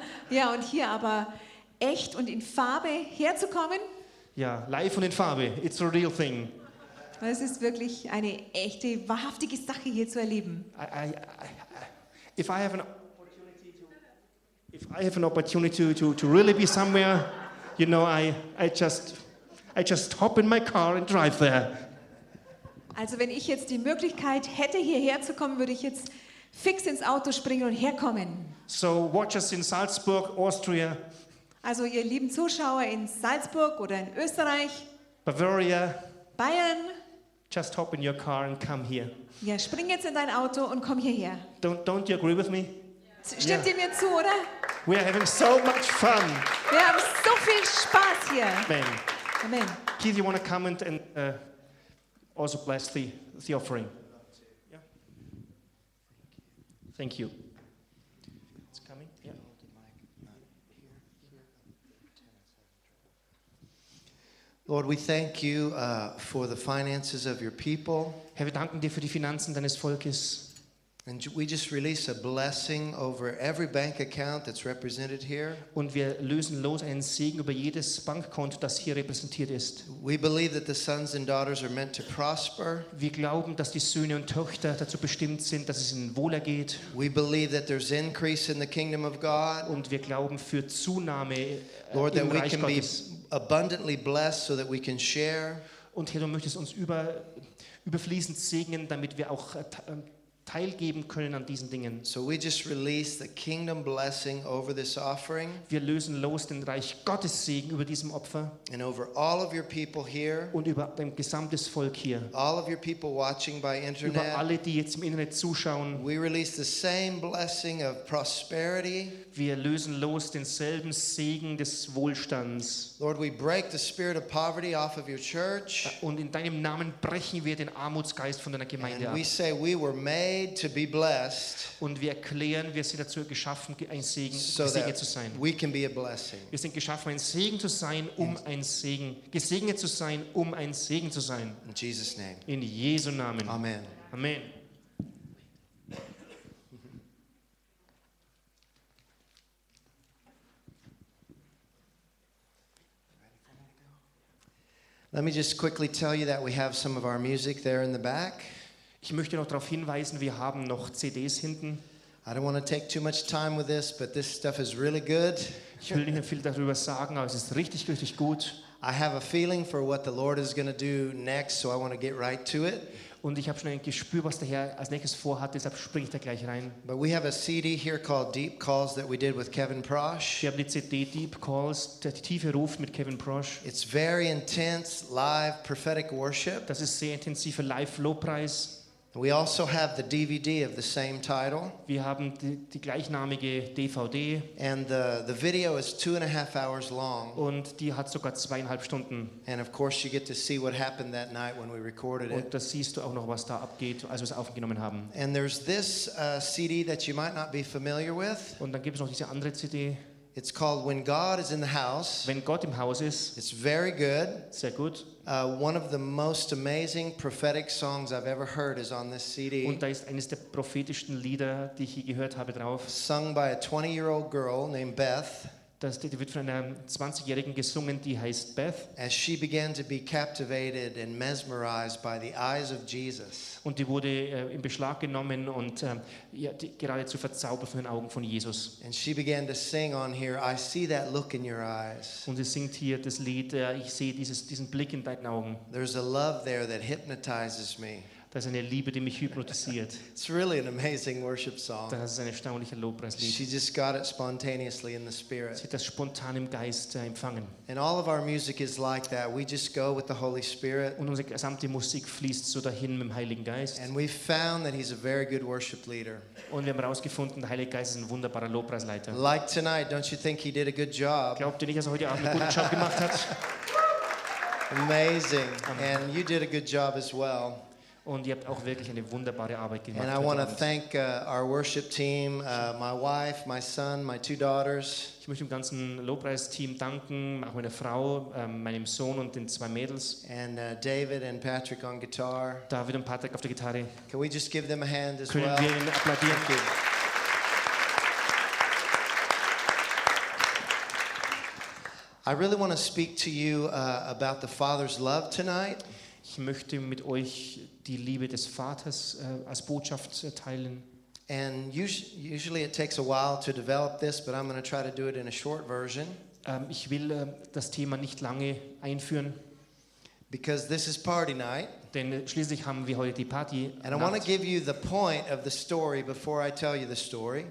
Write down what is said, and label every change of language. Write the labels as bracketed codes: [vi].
[de] Ja, und hier aber echt und in Farbe herzukommen. Ja, live und in Farbe. [en] It's a real thing. [de] Es ist wirklich eine echte, wahrhaftige Sache hier zu erleben. [en] If I have an opportunity to really be somewhere, you know, I just hop in my car and drive there. [de] Also wenn ich jetzt die Möglichkeit hätte, hierher zu kommen, würde ich jetzt fix ins Auto springen und herkommen. [en] So watch us in Salzburg, Austria. [de] Also ihr lieben Zuschauer in Salzburg oder in Österreich, [en] Bavaria, [de] Bayern, [en] just hop in your car and come here. [de] Ja, spring jetzt in dein Auto und komm hierher. [en] Don't you agree with me? [de] Stimmt ihr mir zu, oder? [en] We are having so much fun. [de] Wir haben so viel Spaß hier. [en] Amen. [de] Amen. [en] Keith, you want to come and also bless the offering? Yeah. Thank you. It's coming. Yeah. Lord, we thank you for the finances of your people. [de] Herr, wir danken dir für die Finanzen deines Volkes. [en] And we just release a blessing over every bank account that's represented here. [de] Und wir lösen los einen Segen über jedes Bankkonto, das hier repräsentiert ist. [en] We believe that the sons and daughters are meant to prosper. [de] Wir glauben, dass die Söhne und Töchter dazu bestimmt sind, dass es ihnen wohlergeht. [en] We believe that there's increase in the kingdom of God. [de] Und wir glauben für Zunahme im Reich Gottes. [en] Lord, that we can be abundantly blessed so that we can share. [de] Und Herr, du möchtest uns überfließend segnen, damit wir auch teilgeben können an diesen Dingen. [en] So we just release the kingdom blessing over this offering. [de] Wir lösen los den Reich Gottes Segen über diesem Opfer. [en] And over all of your people here. [de] Und über dein gesamtes Volk hier. [en] All of your people watching by internet. [de] Über alle, die jetzt im Internet zuschauen. [en] We release the same blessing of prosperity. [de] Wir lösen los denselben Segen des Wohlstands. [en] Lord, we break the spirit of poverty off of your church. [de] Und in deinem Namen brechen wir den Armutsgeist von deiner Gemeinde ab. [en] And we say we were made to be blessed. [de] Und wir erklären, wir sind dazu geschaffen, ein Segen zu sein. [en] We can be a blessing. [de] Wir sind geschaffen, ein Segen zu sein, gesegnet zu sein, um ein Segen zu sein. [en] In Jesus' name. [de] In Jesu Namen. [en] Amen. [de] Amen. [en] Let me just quickly tell you that we have some of our music there in the back. [de] Ich möchte noch darauf hinweisen, wir haben noch CDs hinten. [en] I don't want to take too much time with this, but this stuff is really good. [de] Ich will nicht viel darüber sagen, aber es ist richtig, richtig gut. [en] I have a feeling for what the Lord is going to do next, so I want to get right to it. [de] Und ich habe schon ein Gespür, was der Herr als nächstes vorhat, deshalb springe ich da gleich rein. [en] But we have a CD here called Deep Calls that we did with Kevin Prosh. [de] Wir haben die CD Deep Calls, der tiefe Ruf mit Kevin Prosh. [en] It's very intense live prophetic worship. [de] Das ist sehr intensiver Live-Lobpreis. [en] We also have the DVD of the same title. [de] Wir haben die gleichnamige DVD. [en] And the video is 2.5 hours long. [de] Und die hat sogar 2.5 Stunden. [en] And of course you get to see what happened that night when we recorded it. [de] Und da siehst du auch noch, was da abgeht, als wir es aufgenommen haben. [en] And there's this CD that you might not be familiar with. [de] Und dann gibt es noch diese andere CD. [en] It's called When God Is in the House. [de] Wenn Gott im Haus ist. [en] It's very good. [de] Sehr gut. [en] One of the most amazing prophetic songs I've ever heard is on this CD. [de] Und da ist eines der prophetischsten Lieder, die ich je gehört habe, drauf. [en] Sung by a 20-year-old girl named Beth. [de] Das wird von einer 20-Jährigen gesungen, die heißt Beth. [en] As she began to be captivated and mesmerized by the eyes of Jesus. [de] Und die wurde in Beschlag genommen und geradezu verzaubert von den Augen von Jesus. [en] And she began to sing on here, I see that look in your eyes. [de] Und sie singt hier das Lied, ich sehe diesen Blick in deinen Augen. [en] There's a love there that hypnotizes me. [de] Das ist eine Liebe, die mich hypnotisiert. [en] It's really an amazing worship song. [de] Das ist ein erstaunlicher Lobpreislied. [en] She just got it spontaneously in the spirit. [de] Sie hat das spontan im Geist empfangen. [en] And all of our music is like that. We just go with the Holy Spirit. [de] Und unsere gesamte Musik fließt so dahin mit dem Heiligen Geist. [en] And we found that he's a very good worship leader. [de] Und wir haben herausgefunden, der Heilige Geist ist ein wunderbarer Lobpreisleiter. [en] Like tonight, don't you think he did a good job? [de] Glaubt ihr nicht, dass er heute Abend einen guten Job gemacht hat? [en] Amazing. And you did a good job as well. [de] Und ihr habt auch wirklich eine wunderbare Arbeit gemacht. [en] And I want to thank our worship team, my wife, my son, my two daughters. [de] Ich möchte dem ganzen Lobpreisteam danken, auch meiner Frau, meinem Sohn und den zwei Mädels. [en] And David and Patrick on guitar. [de] David und Patrick auf der Gitarre. [en] Can we just give them a hand as [de] Können [en] well? [de] Können wir ihnen applaudieren? [en] Thank you. I really want to speak to you about the Father's love tonight. [de] Ich möchte mit euch die Liebe des Vaters als Botschaft teilen. [en] And usually it takes a while to develop this, but I'm going to try to do it in a short version. [de] Ich will das Thema nicht lange einführen. [en] Because this is party night. [de] Denn schließlich haben wir heute die Party. [en] And I want to give you the point of the story before I tell you the story.